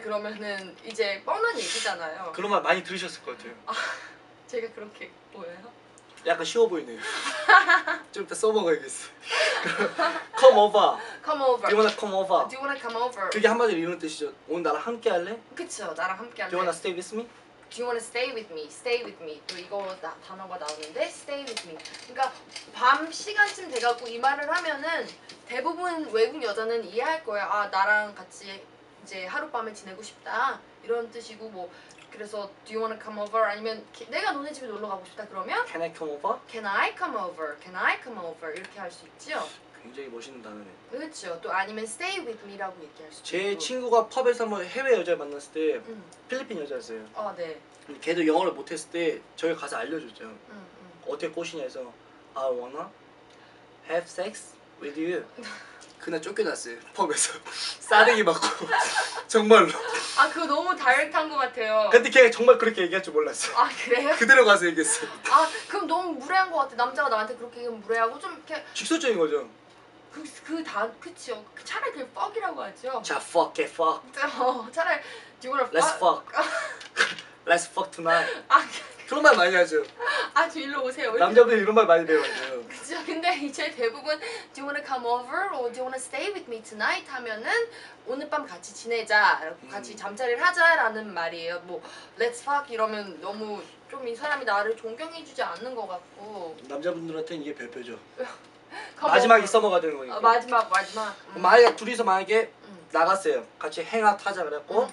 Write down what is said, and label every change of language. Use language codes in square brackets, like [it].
[ko] 그러면은 이제 뻔한 얘기잖아요. 그런 말 많이 들으셨을 것 같아요. 아, 제가 그렇게 보여요? 약간 쉬워 보이네요. 좀 이따 써먹어야겠어. [en] Come over. Come over. Do you wanna come over? Do you wanna come over? [ko] 그게 한마디로 이런 뜻이죠. 오늘 나랑 함께 할래? 그쵸, 나랑 함께 할래. [en] Do you wanna stay with me? Do you wanna stay with me? Stay with me. [ko] 또 이거 단어가 나오는데 [en] stay with me. [ko] 그러니까 밤 시간쯤 돼갖고 이 말을 하면은 대부분 외국 여자는 이해할 거예요. 아, 나랑 같이 이제 하룻밤을 지내고 싶다 이런 뜻이고 뭐 그래서 [en] do you wanna come over [ko] 아니면 내가 너네 집에 놀러 가고 싶다 그러면 [en] can I come over? can I come over? can I come over? [ko] 이렇게 할 수 있죠. 굉장히 멋있는 단어네. 그렇죠. 또 아니면 [en] stay with me [ko] 라고 얘기할 수 있고 제 친구가 펍에서 한번 해외 여자를 만났을 때 필리핀 여자였어요. 아, 네. 걔도 영어를 못했을 때 저기 가서 알려줬죠. 어떻게 꼬시냐 해서 [en] I wanna have sex with you. [ko] 그날 쫓겨났어요. 펍에서 싸대기 맞고 정말로. 아, 그거 너무 다이렉트한 것 같아요. 근데 걔 정말 그렇게 얘기할 줄 몰랐어요. 아, 그래요? 그대로 가서 얘기했어요. 아, 그럼 너무 무례한 것 같아. 남자가 나한테 그렇게 얘기하면 무례하고 좀 이렇게 직설적인 거죠. 그치요. 차라리 그 fuck이라고 하죠. 자, [en] fuck, get fuck. [ko] 차라리 [en] do you wanna fuck? Let's fuck. Let's fuck tonight. 아, [ko] 그런 말 많이 하죠. 아, 저 일로 오세요. 남자분들 이런 말 많이 배워요. 그죠. 근데 이제 대부분 [en] Do you wanna come over? or Do you wanna stay with me tonight? [ko] 하면은 오늘 밤 같이 지내자, 같이 잠자리를 하자라는 말이에요. 뭐 [en] Let's fuck [ko] 이러면 너무 좀 이 사람이 나를 존경해주지 않는 것 같고 남자분들한테는 이게 별표죠. 마지막에 써먹어야 되는 거니까. 마지막. 만약에 둘이서 만약에 나갔어요. 같이 hangout 하자 그랬고